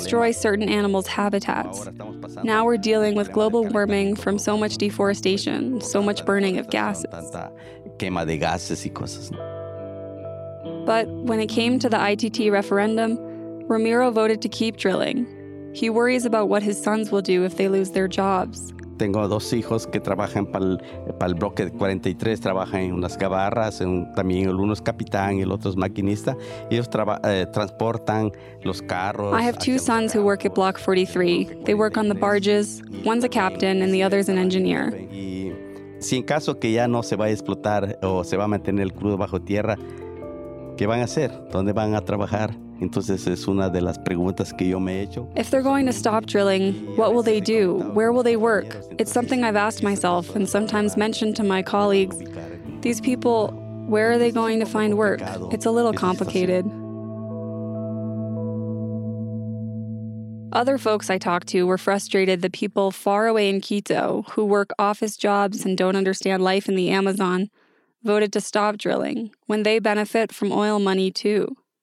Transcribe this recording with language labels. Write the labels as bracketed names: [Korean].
[English] They destroy certain animals' habitats. Now we're dealing with global warming from so much deforestation, so much burning of gases. [Spanish] Quema de gases y cosas. [English] But when it came to the ITT referendum, Ramiro voted to keep drilling. He worries about what his sons will do if they lose their jobs. [Spanish] Tengo dos hijos que trabajan para el bloque 43, trabajan en unas gabarras, también el uno es capitán y el otro es maquinista. Ellos transportan los carros. [English] I have two sons who work at Block 43. They work on the barges. One's a captain and the other's an engineer. [Spanish] Y si en caso que ya no se va a explotar o se va a mantener el crudo bajo tierra, ¿qué van a hacer? ¿Dónde van a trabajar? Entonces es una de las preguntas que yo me he hecho. [English] If they're going to stop drilling, what will they do? Where will they work? It's something I've asked myself and sometimes mentioned to my colleagues. These people, where are they going to find work? It's a little complicated. Other folks I talked to were frustrated that people far away in Quito, who work office jobs and don't understand life in the Amazon, voted to stop drilling when they benefit from oil money too.